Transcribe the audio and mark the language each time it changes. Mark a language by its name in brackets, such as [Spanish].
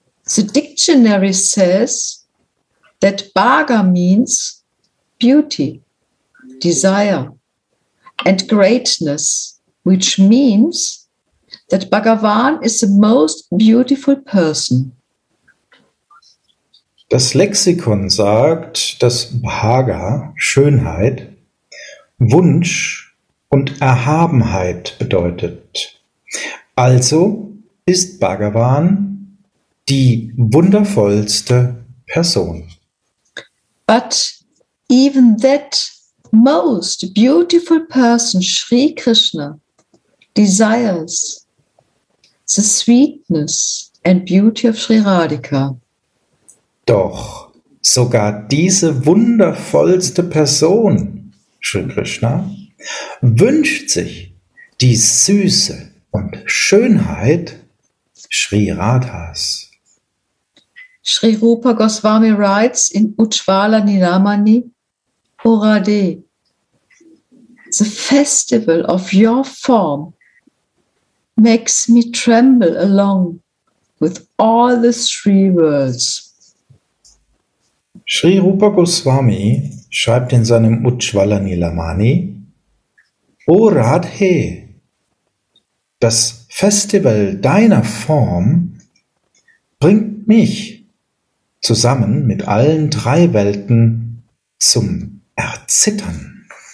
[English] The dictionary says that Bhaga means beauty, desire, and greatness, which means that Bhagavan is the most beautiful person. [German] Das Lexikon sagt, dass Bhaga Schönheit, Wunsch und Erhabenheit bedeutet. Also ist Bhagavan die wundervollste Person. [English] But even that most beautiful person, Sri Krishna, desires the sweetness and beauty of Sri Radhika. [German] Doch sogar diese wundervollste Person, Sri Krishna, wünscht sich die Süße und Schönheit Sri Radhas. [English] Sri Rupa Goswami writes in Ujjwala Nilamani, O Radhe, the festival of your form makes me tremble along with all the three worlds. [German] Sri Rupa Goswami schreibt in seinem Ujjwala Nilamani, O Radhe, das Festival deiner Form bringt mich zusammen mit allen drei Welten zum Erzittern.